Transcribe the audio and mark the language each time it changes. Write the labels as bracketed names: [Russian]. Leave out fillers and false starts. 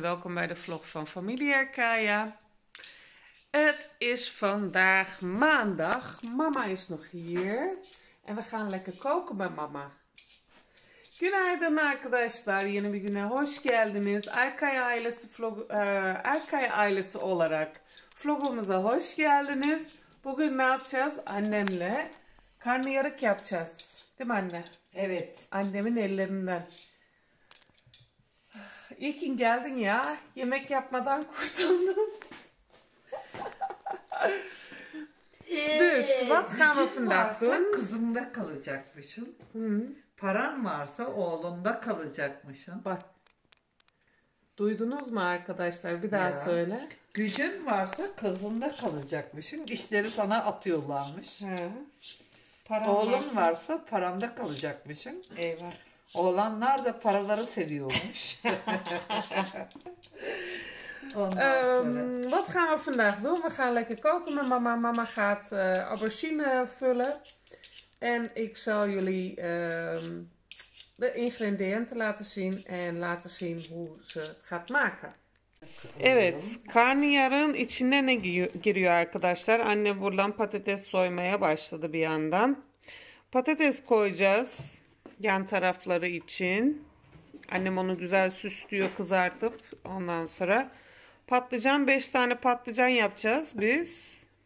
[Dutch] Welkom bij de vlog van Familie Erkaya. Het is vandaag maandag. Mama is nog hier. En we gaan lekker koken bij mama. [Turkish] Günaydın arkadaşlar. Yeni bir güne hoş geldiniz. Erkaya ailesi olarak vlogumuza hoş geldiniz. Bugün ne yapacağız? Annemle karnıyarık yapacağız. Değil mi anne? Evet. Annemin ellerinden. İyi ki geldin ya. Yemek yapmadan kurtuldun. [Dutch] Dus, wat gaan we vandaag doen? [Turkish] Varsa kızımda kalacakmışsın. Paran varsa oğlunda kalacakmışsın. Bak. Duydunuz mu arkadaşlar? Bir daha ya. Söyle. Gücün varsa kızında kalacakmışsın. İşleri sana atıyorlarmış. Oğlun varsa paranda kalacakmışsın. Eyvah. Oğlanlar da paraları seviyormuş. [Dutch] Wat gaan we vandaag doen? We gaan lekker koken met mama. Mama gaat aubergine vullen. En ik zal jullie de ingrediënten laten zien. En laten zien hoe ze het gaat maken. [Turkish] Evet, karnıyarığın içinde ne giriyor arkadaşlar? Anne buradan patates soymaya başladı bir yandan. Patates koyacağız. Yan tarafları için. Annem onu güzel süslüyor kızartıp. Ondan sonra patlıcan. 5 tane patlıcan yapacağız biz.